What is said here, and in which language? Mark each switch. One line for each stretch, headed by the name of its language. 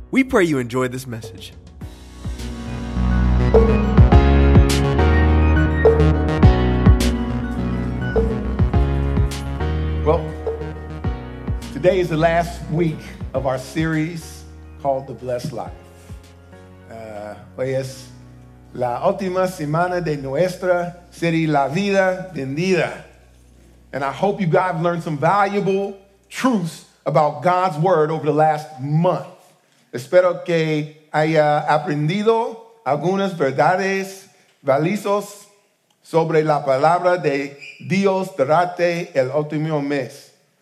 English: We pray you enjoy this message. Well, today is the last week of our series called The Blessed Life.
Spanish: Hoy es la última semana de nuestra serie La Vida Bendita.
English: And I hope you guys learned some valuable truths about God's Word over the last month.
Spanish: Espero que haya aprendido algunas verdades valiosas sobre la palabra de Dios durante el último mes.